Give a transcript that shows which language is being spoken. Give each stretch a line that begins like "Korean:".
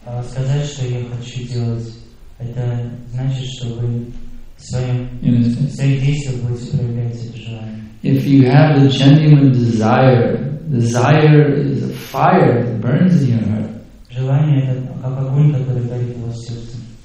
Russian: Сказать, что я хочу делать, это значит, что вы своим действием будете проявлять это желание.
English: If you have a genuine desire, Desire is a fire that burns in your heart.
Russian: Желание это как огонь, который горит в вашем сердце.